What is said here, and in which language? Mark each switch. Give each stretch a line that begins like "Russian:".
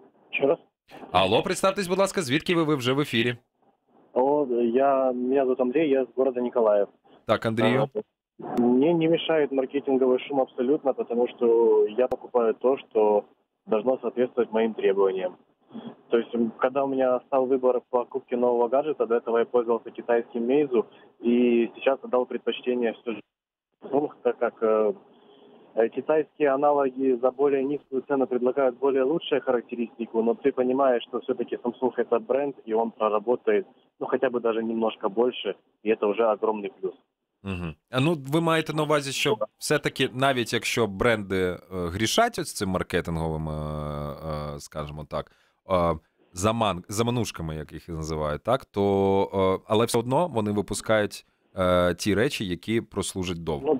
Ukrainian: Що раз? Алло, представтесь, будь ласка, звідки ви? Ви вже в ефірі. Мене звуть Андрій, я з міста Ніколаїв. Так, Андрію. Мені не мішає маркетинговий шум абсолютно, тому що я покупаю те, що повинно відповідати моїм требованиям.
Russian: То есть, когда у меня стал выбор покупки нового гаджета, до этого я пользовался китайским Meizu, и сейчас отдал предпочтение все же Samsung, так как китайские аналоги за более низкую цену предлагают более лучшую характеристику, но ты понимаешь, что все-таки Samsung это бренд, и он проработает, хотя бы даже немножко больше, и это уже огромный плюс. Угу.
Ukrainian: Ви маєте на увазі, що все-таки, навіть якщо бренди грішать ось цим маркетинговим, скажімо так, заманушками, як їх називають, так, то але все одно вони випускають ті речі, які прослужать довго.